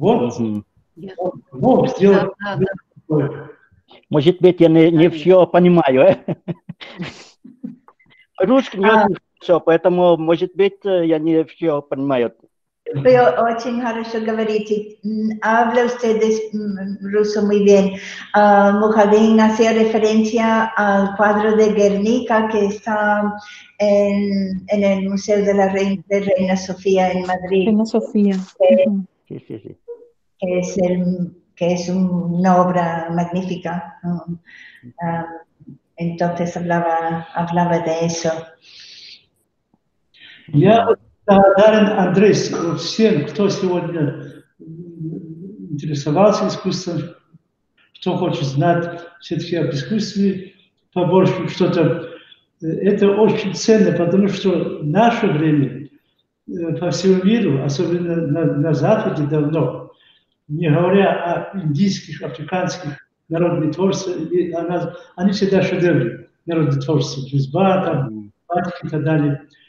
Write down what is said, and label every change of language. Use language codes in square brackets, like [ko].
[ru] Вот, вот, сделал. Может быть, я не все понимаю. Русский не очень хорошо, поэтому, может быть, я не все понимаю. Вы очень хорошо говорите. [es] Habla usted ruso muy bien. Mujahedin hacía referencia al cuadro de Guernica que está en el Museo de la Reina Sofía en Madrid. Reina Sofía. Sí. Que es una obra magnífica. Entonces hablaba de eso. Ya. [ru] Благодарен Андрес всем, кто сегодня интересовался искусством, кто хочет знать все-таки об искусстве побольше, что-то. Это очень ценно, потому что в наше время по всему миру, особенно на Западе давно, не говоря о индийских, африканских народных творцах, они всегда шедевры народных творцев, резьба, там, батик и так далее.